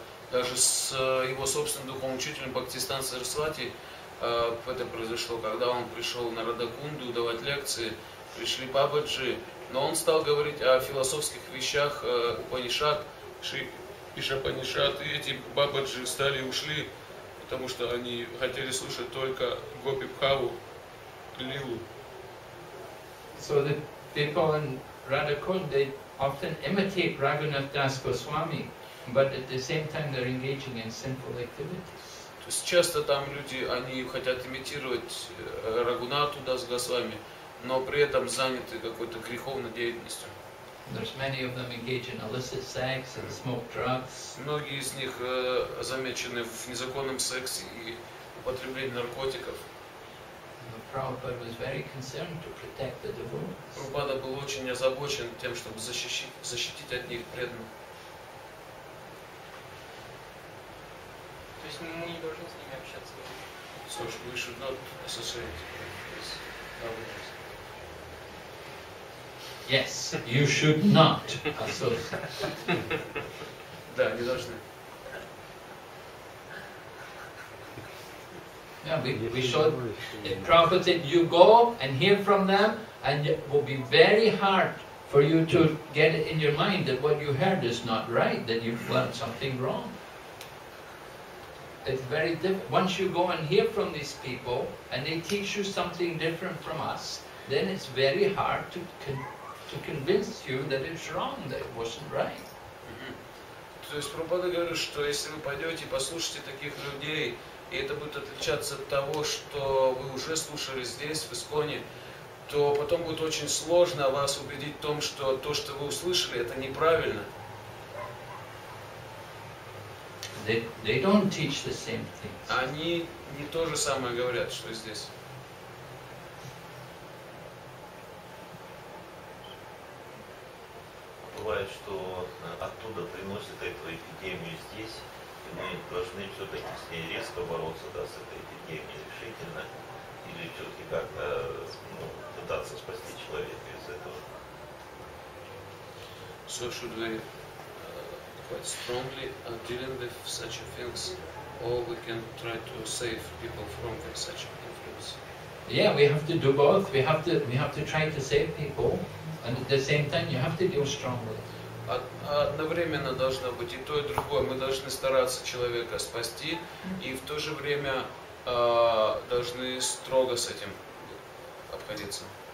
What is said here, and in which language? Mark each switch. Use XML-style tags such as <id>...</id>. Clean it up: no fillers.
<ru>Даже с его собственным духовным учителем Бхактистан Сарасвати это произошло, когда он пришел на Радхакунду давать лекции, пришли Бабаджи, но он стал говорить о философских вещах Упанишад, Ишопанишад, и эти Бабаджи встали и ушли, потому что они хотели слушать только Гопи Бхаву, Лилу.</ru> <en>So the people in Radhakund, they often imitate Raghunath Das Goswami. But at the same time, they're engaging in sinful activities.</en> <ru>То есть часто там люди, они хотят имитировать Рагунату Дас Госвами, но при этом заняты какой-то греховной деятельностью.</ru> <en>There's many of them engaged in illicit sex and smoke drugs.</en> <ru>Многие из них замечены в незаконном сексе и употреблении наркотиков.</ru> <en>Prabhupada was very concerned to protect the devotees.</en> <ru>Прабхупада был очень озабочен тем, чтобы защитить от них преданных. То есть мы не должны с ними общаться.</ru> <en>So we should not associate with Babaji. Yes, you should not associate.</en> <ru>Да, не должны.</ru> <en>Yeah, we should. The Prophet said, you go and hear from them, and it will be very hard for you to get it in your mind that what you heard is not right, that you've learned something wrong. It's very different. Once you go and hear from these people and they teach you something different from us, then it's very hard to convince you that it's wrong, that it wasn't right.</en> <ru>То есть Прабхупада говорит, что если вы пойдете и послушаете таких людей, и это будет отличаться от того, что вы уже слушали здесь, в Исконе, то потом будет очень сложно вас убедить в том, что то, что вы услышали, это неправильно.</ru> <en>They don't teach the same things.</en> <ru>Они не то же самое говорят, что здесь. Бывает, что оттуда приносят эту эпидемию здесь, и мы должны все-таки с ней резко бороться, да, с этой эпидемией решительно, или все-таки как-то, ну, пытаться спасти человека из этого.</ru> <en>So should we quite strongly dealing with such things, or we can try to save people from such influence? Yeah, we have to do both. We have to try to save people, and at the same time you have to deal strongly.</en> <ru>Одновременно должно быть и то, и другое. Мы должны стараться человека спасти, и в то же время должны строго с этим обходиться.</ru>